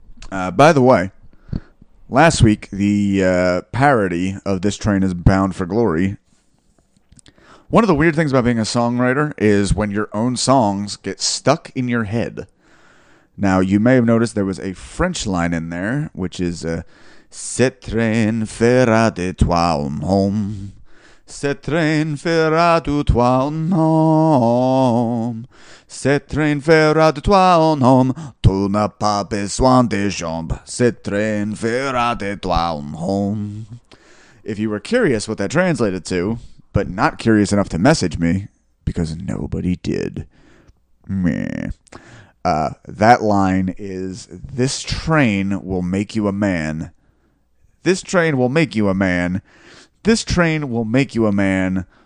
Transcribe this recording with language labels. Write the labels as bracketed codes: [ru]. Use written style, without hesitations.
[en] By the way, last week, the parody of This Train is Bound for Glory. One of the weird things about being a songwriter is when your own songs get stuck in your head. Now, you may have noticed there was a French line in there, which is, [fr] Cette train fera de toi un homme. Cette train fera de toi un homme. Cette train fera de toi un homme. Tu n'as pas besoin de jambes. Cette train fera de toi un homme. [en] If you were curious what that translated to, but not curious enough to message me, because nobody did. Meh. That line is, this train will make you a man. This train will make you a man. This train will make you a man.